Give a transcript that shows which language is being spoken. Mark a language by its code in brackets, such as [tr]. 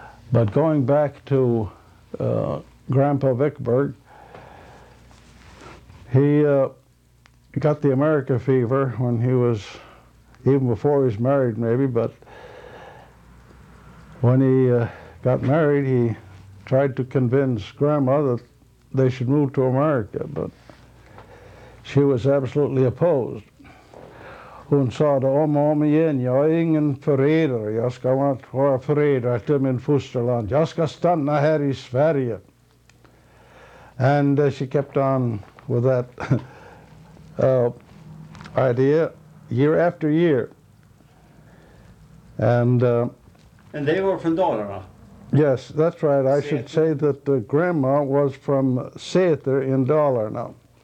[en] But going back to Grandpa Vicberg, he got the America fever when he was, even before he was married maybe, but when he got married, he tried to convince Grandma that they should move to America, but she was absolutely opposed. [sv] Hon sa då, om och om igen, jag är ingen förrädare, jag ska vara förrädare till min fosterland, jag ska stanna här i Sverige. [en] And she kept on with that idea year after year. And they were from Dalarna? Yes, that's right. I should say that grandma was from Säter in Dalarna.